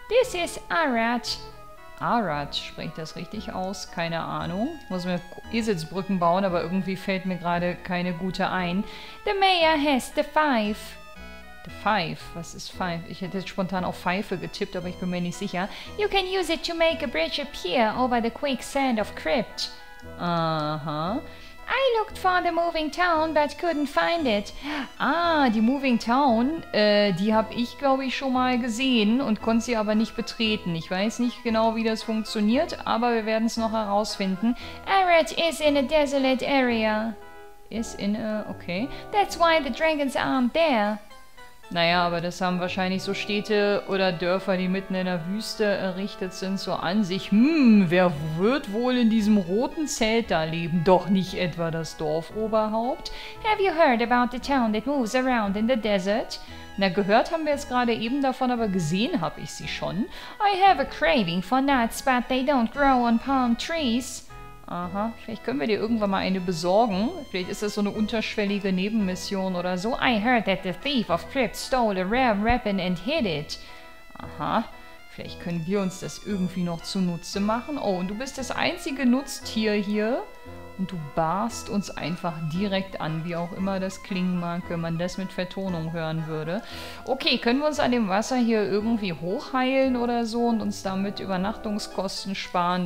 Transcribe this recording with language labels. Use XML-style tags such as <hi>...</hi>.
<en>This is Arad.</en> <de>Arad, spricht das richtig aus? Keine Ahnung. Muss mir Eselsbrücken bauen, aber irgendwie fällt mir gerade keine gute ein.</de> <en>The mayor has the five. The five?</en> <de>Was ist</de> <en>five?</en> <de>Ich hätte jetzt spontan auf Pfeife getippt, aber ich bin mir nicht sicher.</de> <en>You can use it to make a bridge appear over the quicksand of crypt. Aha. I looked for the moving town, but couldn't find it.</en> <de>Ah, die moving town, die habe ich, glaube ich, schon mal gesehen und konnte sie aber nicht betreten. Ich weiß nicht genau, wie das funktioniert, aber wir werden es noch herausfinden.</de> <en>Arad is in a desolate area. Is in a... okay. That's why the dragons aren't there.</en> <de>Naja, aber das haben wahrscheinlich so Städte oder Dörfer, die mitten in der Wüste errichtet sind, so an sich. Wer wird wohl in diesem roten Zelt da leben? Doch nicht etwa das Dorfoberhaupt?</de> <en>Have you heard about the town that moves around in the desert?</en> <de>Na, gehört haben wir es gerade eben davon, aber gesehen habe ich sie schon.</de> <en>I have a craving for nuts, but they don't grow on palm trees.</en> <de>Aha, vielleicht können wir dir irgendwann mal eine besorgen. Vielleicht ist das so eine unterschwellige Nebenmission oder so.</de> <en>I heard that the thief of crypt stole a rare weapon and hid it.</en> <de>Aha, vielleicht können wir uns das irgendwie noch zunutze machen. Oh, und du bist das einzige Nutztier hier. Und du barst uns einfach direkt an, wie auch immer das klingen mag, wenn man das mit Vertonung hören würde. Okay, können wir uns an dem Wasser hier irgendwie hochheilen oder so und uns damit Übernachtungskosten sparen?</de>